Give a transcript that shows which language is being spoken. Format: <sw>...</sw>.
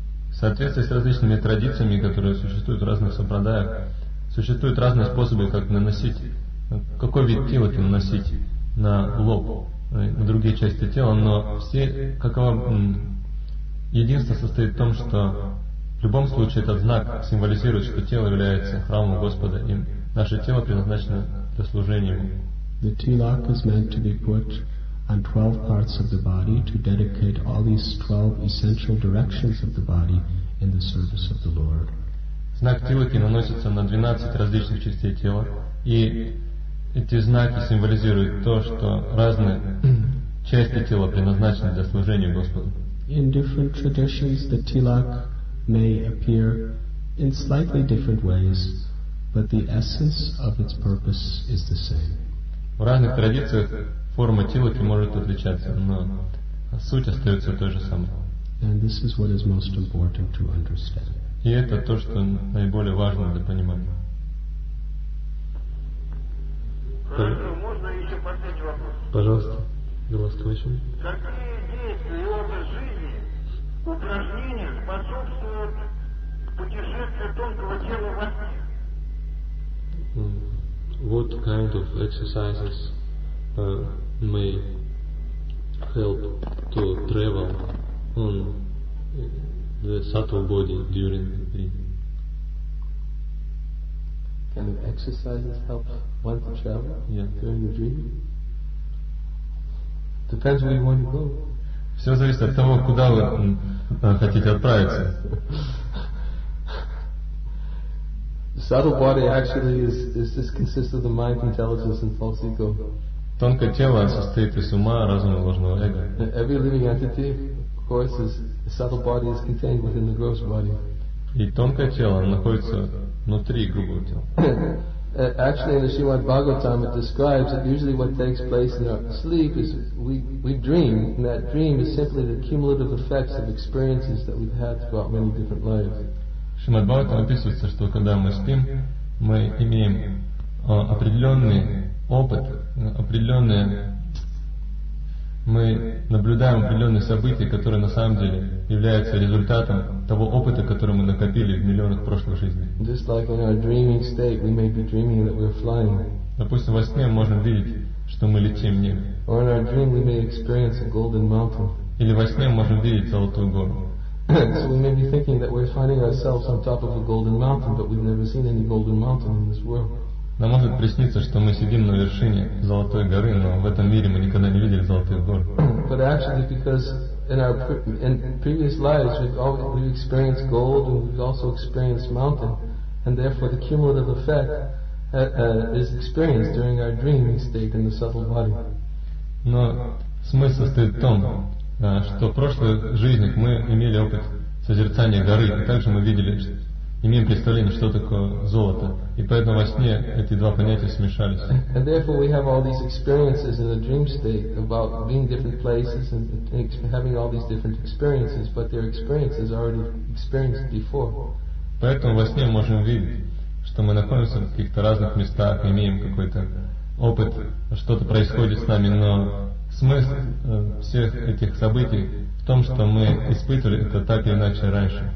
<ru>В соответствии с различными традициями, которые существуют в разных сампрадаях, существуют разные способы, как наносить, какой вид тилака наносить на лоб. На другие части тела, но все каково единство состоит в том, что в любом случае этот знак символизирует, что тело является храмом Господа, и наше тело предназначено для служения Ему.</ru> <en>The tilak is meant to be put on 12 parts of the body to dedicate all these 12 essential directions of the body in the service of the Lord.</en> <ru>Знак тилаки наносится на 12 различных частей тела, и эти знаки символизируют то, что разные части тела предназначены для служения Господу.</ru> <en>In different traditions, the tilak may appear in slightly different ways, but the essence of its purpose is the same.</en> <ru>В разных традициях форма тилаки может отличаться, но суть остается той же самой.</ru> <en>And this is what is most important to understand.</en> <ru>И это то, что наиболее важно для понимания. Хорошо, можно еще последний вопрос? Пожалуйста, Галаскович. Какие действия и образ жизни, упражнения способствуют путешествию тонкого тела во сне?</ru> <en>What kind of exercises may help to travel on the subtle body during the dream? Kind of exercises help one to travel during the dream? Depends where you want to go.</en> <ru>Все зависит от того, куда вы хотите отправиться.</ru> <en>The subtle body actually is this consists of the mind, intelligence, and false ego.</en> <ru>Тонкое тело состоит из ума, разума и ложного эго.</ru> <en>Every living entity, of course, is the subtle body is contained within the gross body.</en> <ru>И тонкое тело находится внутри грубого тела.</ru> <en>Actually, in the Srimad Bhagavatam, it describes that usually what takes place in our sleep is we dream, and that dream is simply the cumulative effects of experiences that we've had throughout many different lives.</en> <ru>Srimad Bhagavatam описывается, что когда мы спим, мы имеем определенный опыт, определенные мы наблюдаем определенные события, которые на самом деле являются результатом того опыта, который мы накопили в миллионах прошлых жизней.</ru> <en>Just like in our dreaming state, we may be dreaming that we're flying.</en> <ru>Допустим, во сне мы можем видеть, что мы летим в небе.</ru> <en>Or in our dream, we may experience a golden mountain.</en> <ru>Или во сне мы можем видеть золотую гору.</ru> <en>So we may be thinking that we're finding ourselves on top of a golden mountain, but we've never seen any golden mountain in this world.</en> <ru>Нам может присниться, что мы сидим на вершине Золотой горы, но в этом мире мы никогда не видели Золотых гор.</ru> <en>But actually, because in previous lives we've experienced gold and we've also experienced mountain, and therefore the cumulative effect is experienced during our dreaming state in the subtle body.</en> <ru>Но смысл состоит в том, что в прошлых жизнях мы имели опыт созерцания горы, и также мы видели, имеем представление, что такое золото. И поэтому во сне эти два понятия смешались.</ru> <en>And therefore we have all these experiences in the dream state about being different places and having all these different experiences, but their experiences already experienced before.</en> <ru>Поэтому во сне мы можем видеть, что мы находимся в каких-то разных местах, имеем какой-то опыт, что-то происходит с нами, но смысл всех этих событий в том, что мы испытывали это так или иначе раньше.</ru>